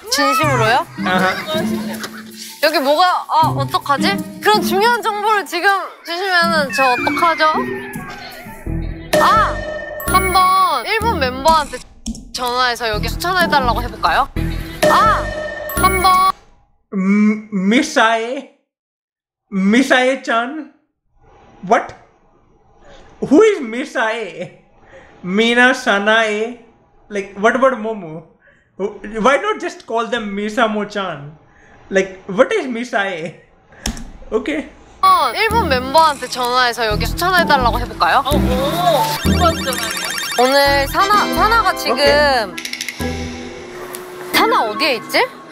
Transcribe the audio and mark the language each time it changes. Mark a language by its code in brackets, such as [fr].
[ko] 진심으로요? 여기 뭐가, 아 어떡하지? 그런 중요한 정보를 지금 주시면은 저 어떡하죠? 아! 한번 일본 멤버한테 전화해서 여기 추천해달라고 해볼까요? 아! 한번 미사이 Miss Ae Chan? [en] What? Who is Miss Ae? Mina Sanae? Like, what about Momo? Why not just call them Miss Ae Chan? Like, what is Miss Ae? Okay. [ko] 어, 일본 멤버한테 전화해서 여기 추천해달라고 해볼까요? 어, 오. 오늘 사나가 지금. 사나 어디에 있지?